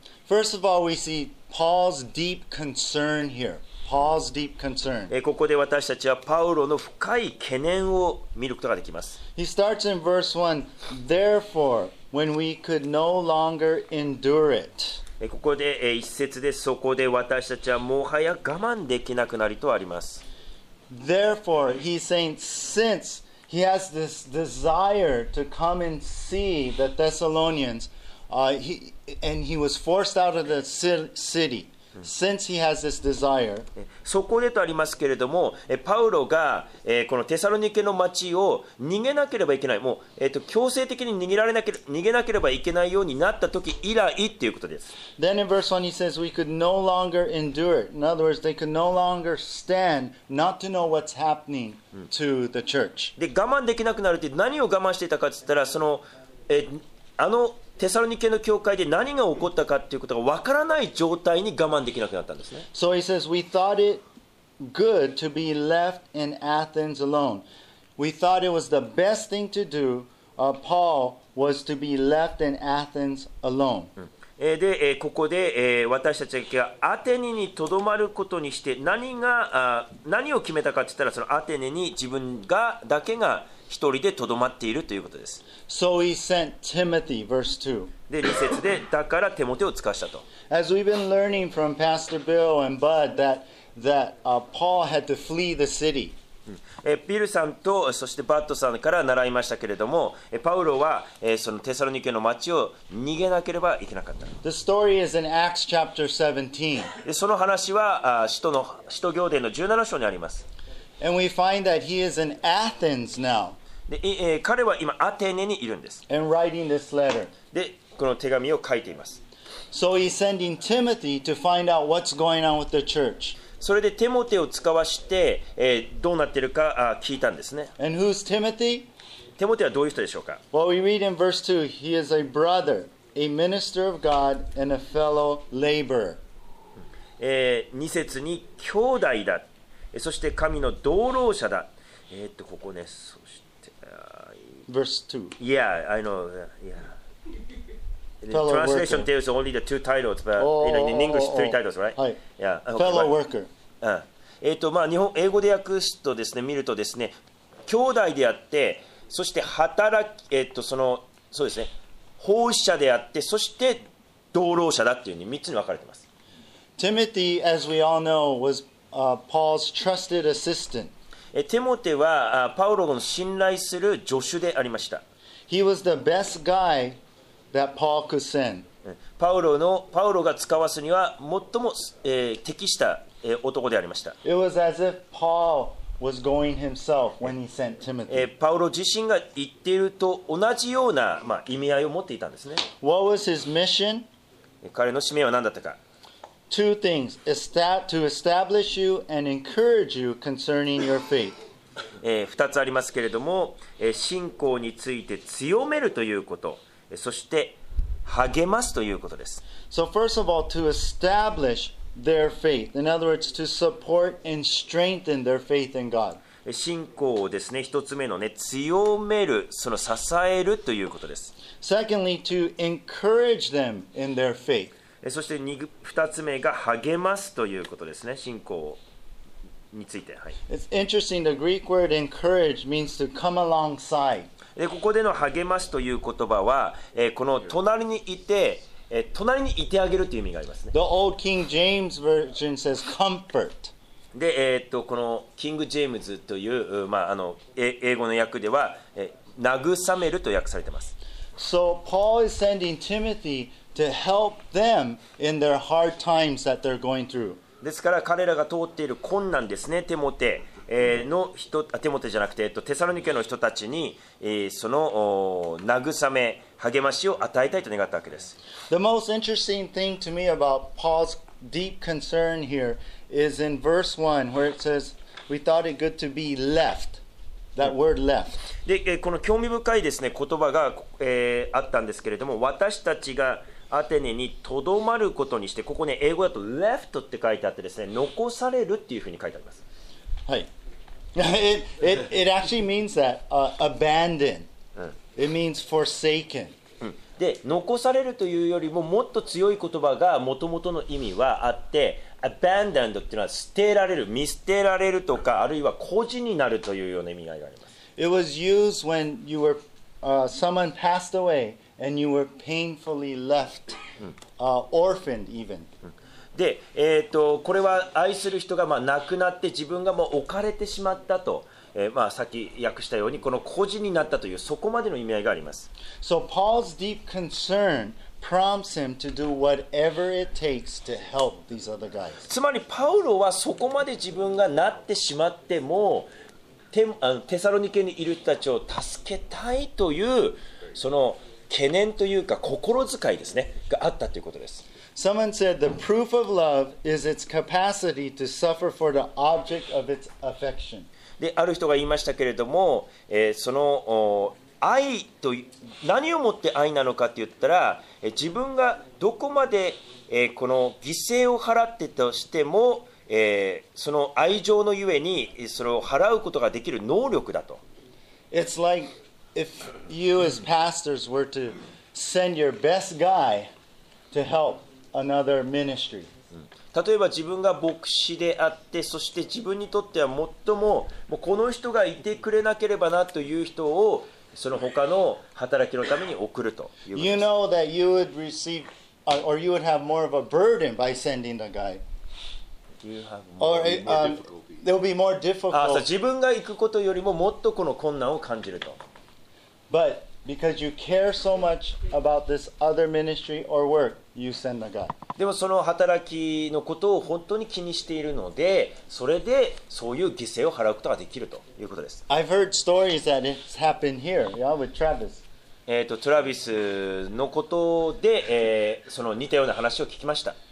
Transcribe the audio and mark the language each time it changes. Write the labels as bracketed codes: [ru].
[en] First of all, we see Paul's deep concern here. Paul's deep concern. [ja] ここで私たちはパウロの深い懸念を見ることができます。 [en] He starts in verse 1. Therefore. When we could no longer endure it. [ja] ここで一節で、そこで私たちはもはや我慢できなくなりとあります。 [en] Therefore, he's saying, since he has this desire to come and see the Thessalonians, and he was forced out of the city, since he has this desire. [ja] そこでとありますけれども、パウロがこのテサロニケの町を逃げなければいけない、もう強制的に逃げなければいけないようになった時以来ということです。 [en] Then in verse 1 he says we could no longer endure it. In other words, they could no longer stand not to know what's happening to the church. [ja] で、我慢できなくなるって何を我慢していたかって言ったら、そのあのテサロニケの教会で何が起こったかということが分からない状態に我慢できなくなったんですね。 [en] So he says we thought it good to be left in Athens alone. We thought it was the best thing to do. Paul was to be left in Athens alone. [ja] で、ここで私たちがアテネにとどまることにして何を決めたかって言ったら、そのアテネに自分がだけが一人でとどまっているということです。 [en] So he sent Timothy, verse 2. [ja] で、2節で、だからテモテを使わしたと。 [en] As we've been learning from Pastor Bill and Bud that Paul had to flee the city. [ja] ビルさんとそしてバッドさんから習いましたけれども、パウロはそのテサロニケの町を逃げなければいけなかった。 [en] The story is in Acts chapter 17. [ja] で、その話は使徒行伝の17章にあります。 [en] And we find that he is in Athens now. [ja] で、彼は今アテネにいるんです。 [en] And writing this letter. [ja] で、この手紙を書いています。 [en] So he's sending Timothy to find out what's going on with the church. [ja] それでテモテを使わして、どうなってるか聞いたんですね。 [en] And who's Timothy? [ja] テモテはどういう人でしょうか。 [en] Well, we read in verse 2, he is a brother, a minister of God, and a fellow laborer. [ja] 2節に兄弟だ、そして神の同労者だ。ここね、そして、 [en] verse 2. Yeah, I know. Yeah. Translation tells only the two titles, but in English, three titles, right? [ja] はい。 [en] Yeah. Fellow worker. [ja] まあ日本英語で訳すとですね、見るとですね、兄弟であって、そして働き、そうですね、奉仕者であって、そして同労者だっていうふうに3つに分かれてます。 [en] Timothy, as we all know, was Paul's trusted assistant. [ja] テモテはパウロの信頼する助手でありました。 [en] He was the best guy that Paul could send. [ja] パウロが使わすには最も、適した、男でありました。 [en] It was as if Paul was going himself when he sent Timothy. [ja] パウロ自身が言っていると同じような、まあ、意味合いを持っていたんですね。 [en] What was his mission? [ja] 彼の使命は何だったか。 [en] Two things, to establish you and encourage you concerning your faith. [ja] 二つありますけれども、信仰について強めるということ、そして励ますということです。 [en] So first of all, to establish their faith. In other words, to support and strengthen their faith in God. [ja] 信仰をですね、一つ目のね、強める、その支えるということです。 [en] Secondly, to encourage them in their faith. [ja] そして2つ目が励ますということですね、信仰について、はい、 [en] It's interesting, the Greek word encourage means to come alongside. [ja] でここでの励ますという言葉は、この隣にいて、隣にいてあげるという意味がありますね。 [en] The old King James version says comfort. [ja] で、このキング・ジェームズという、まあ、英語の訳では、慰めると訳されています。 [en] So Paul is sending TimothyTo help them in their hard times that they're going through. [ja] ですから彼らが通っている困難ですね、テモテの人、テモテじゃなくて、テサロニケの人たちに、その慰め、励ましを与えたいと願ったわけです。 [en] The most interesting thing to me about Paul's deep concern here is in verse 1 where it says, we thought it good to be left. That word left. [ja] でこの興味深いですね言葉が、あったんですけれども、私たちがアテネにとどまることにして、ここね英語だと left って書いてあってですね、残されるっていうふうに書いてあります。はい。 [en] It actually means that abandon. It means forsaken. [ja] で残されるというよりももっと強い言葉が元々の意味はあって。 Abandoned というのは捨てられる、見捨てられるとか、あるいは孤児になるというような意味合いがあります。 [en] It was used when you were, someone passed away and you were painfully left, orphaned even. [ja] で、これは愛する人がまあ亡くなって自分がもう置かれてしまったと、まあ、さっき訳したように、この孤児になったという、そこまでの意味合いがあります。 [en] So Paul's deep concern. Prompts him to do whatever it takes to help these other guys. [ja] つまりパウロはそこまで自分がなってしまっても、テサロニケにいる人たちを助けたいというその懸念というか心遣いですねがあったということです。 [en] Someone said the proof of love is its capacity to suffer for the object of its affection. [ja] で、ある人が言いましたけれども、その愛と何をもって愛なのかって言ったら、自分がどこまで、この犠牲を払ってとしても、その愛情のゆえにそれを払うことができる能力だと。 [en] It's like if you as pastors were to send your best guy to help another ministry. [ja] 例えば自分が牧師であって、そして自分にとっては最も、もうこの人がいてくれなければなという人をその他の働きのために送るということです。 [en] You know that you would receive, or you would have more of a burden by sending the guy. You have more difficulty. There will be more difficult. [ja] 自分が行くことよりももっとこの困難を感じると。 [en] But because you care so much about this other ministry or work, you send the guy. [ja] でもその働きのことを本当に気にしているので、それでそういう犠牲を払うことができるということです。 [en] I've heard stories that it's happened here, yeah, with Travis. [ja] トラビスのことで、その似たような話を聞きました。